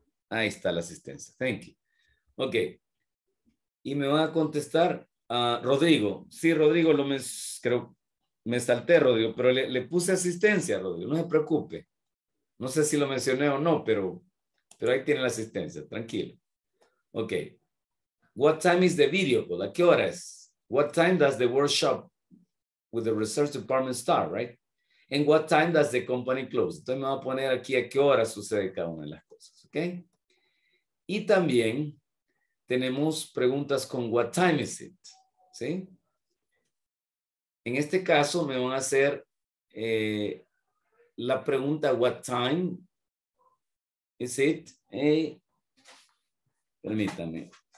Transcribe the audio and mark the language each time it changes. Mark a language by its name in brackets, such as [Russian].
[Spanish] Ahí está la asistencia. [English] Thank you. [Spanish] Ok. Y me van a contestar a Rodrigo. Sí, Rodrigo, me salté, Rodrigo, pero le puse asistencia, Rodrigo. No se preocupe. No sé si lo mencioné o no, pero ahí tiene la asistencia. Tranquilo. [English] Ok. What time is the video call? [Spanish] ¿A qué hora es? [English] What time does the workshop with the research department start, right? And what time does the company close? [Spanish] Entonces me voy a poner aquí a qué hora sucede cada una de las cosas, ¿ok? Y también tenemos preguntas con [English] what time is it, [Spanish] ¿sí? En este caso me van a hacer la pregunta [English] what time is it, [Spanish] permítanme.